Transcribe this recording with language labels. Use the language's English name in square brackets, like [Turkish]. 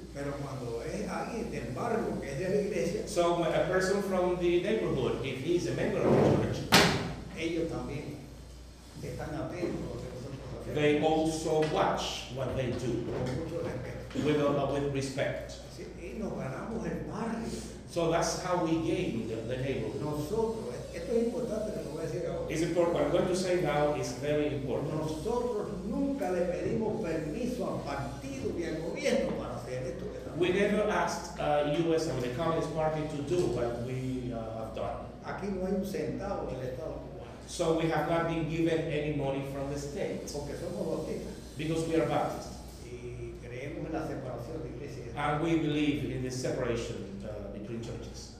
[Spanish] Pero cuando es alguien del barrio que es de la iglesia, [English] so a person from the neighborhood, if he is a member of the church, [Spanish] ellos también están atentos. [English] They also watch what they do with respect. [Spanish] Y nos ganamos el barrio. [English] So that's how we gain the neighborhood. [Spanish] Nosotros, esto es importante, lo voy a decir ahora. [English] It's important. What I'm going to say now is very important. [Spanish] Nosotros nunca le pedimos permiso al partido ni al gobierno para hacer esto. [English] We never asked U.S. and the Communist Party to do what we have done. [Spanish] Aquí no hay un centavo del Estado. [English] So we have not been given any money from the state. [Spanish] Porque somos bautistas. [English] Because we are Baptists. [Spanish] Y creemos en la separación de iglesias. [English] And we believe in the separation between churches.